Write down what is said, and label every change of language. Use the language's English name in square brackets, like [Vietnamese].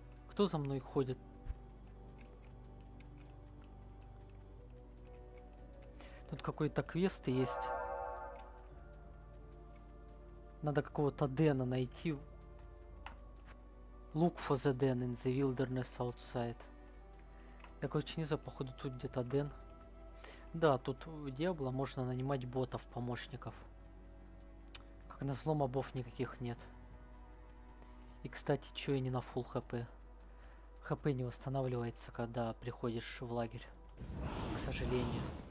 [Russian] Кто за мной ходит? Тут какой-то квест есть. Надо какого-то Дэна найти. [English] Look for the Dan in the wilderness outside. [Russian] Я, короче, не знаю, походу тут где-то Дэн. Да, тут у Диабло можно нанимать ботов, помощников. Как назло, мобов никаких нет. И, кстати, чё я не на full HP? ХП не восстанавливается, когда приходишь в лагерь. К сожалению.